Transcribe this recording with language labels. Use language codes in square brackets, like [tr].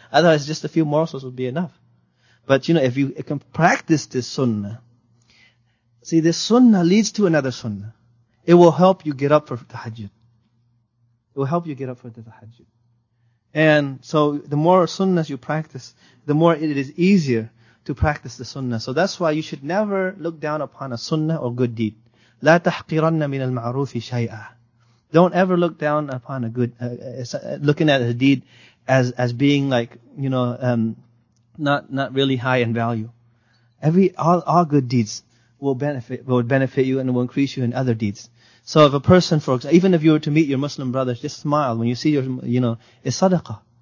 [en] Otherwise, just a few morsels would be enough. But you know, if you can practice this sunnah, see, this sunnah leads to another sunnah. It will help you get up for tahajjud. It will help you get up for the tahajjud. And so the more sunnahs you practice, the more it is easier to practice the sunnah. So that's why you should never look down upon a sunnah or good deed. [ar] لا تحقرن من المعروف شيئا. [en] Don't ever look down upon a good, looking at a deed as being like, you know, not really high in value. All good deeds will benefit you and will increase you in other deeds. So if a person, for example, even if you were to meet your Muslim brothers, just smile when you see your, you know, it's sadaqah.